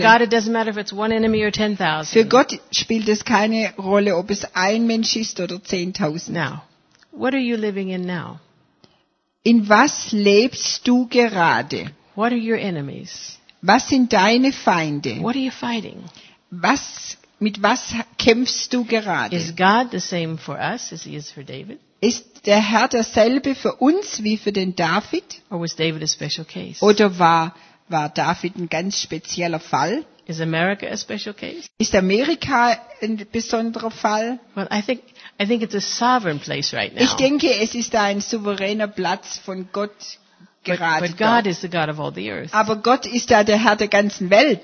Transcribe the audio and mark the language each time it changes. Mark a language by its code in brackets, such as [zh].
[en] For God, it doesn't matter if it's one enemy or 10,000. [de] Für Gott spielt es keine Rolle, ob es ein Mensch ist oder 10,000. [en] Now, what are you living in now? [de] In was lebst du gerade? [en] What are your enemies? [de] Was sind deine Feinde? [en] What are you fighting? [de] Mit was kämpfst du gerade? [en] Is God the same for us as he is for David? [de] Ist der Herr dasselbe für uns wie für den David? [en] Or was David a special case? [de] Oder war David ein ganz spezieller Fall? [en] Is America a special case? [de] Ist Amerika ein besonderer Fall? [en] Well, I think it's a sovereign place right now. [de] Ich denke, es ist da ein souveräner Platz von Gott. [en] But God is the God of all the earth. [de] Aber Gott ist da der Herr der ganzen Welt.